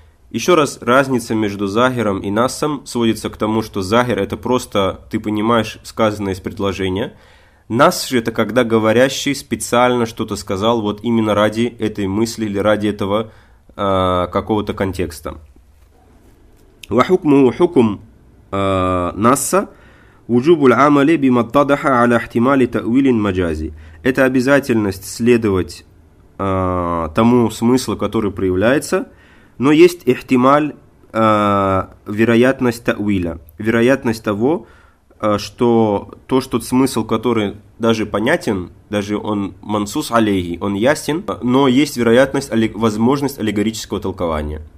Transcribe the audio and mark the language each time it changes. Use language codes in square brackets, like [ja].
[ru] Еще раз, разница между захиром и насом сводится к тому, что захир – это просто ты понимаешь сказанное из предложения, Нас же это когда говорящий специально что-то сказал вот именно ради этой мысли или ради этого какого-то контекста. [ar] وحكمه حكم نص وجوب العمل بما اتضح على احتمال تأويل مجازي. [ru] Это обязательность следовать тому смыслу, который проявляется, но есть ихтималь, вероятность тауиля, вероятность того, что то, что смысл, который даже понятен, даже он мансус алейхи, он ясен, но есть вероятность, возможность аллегорического толкования.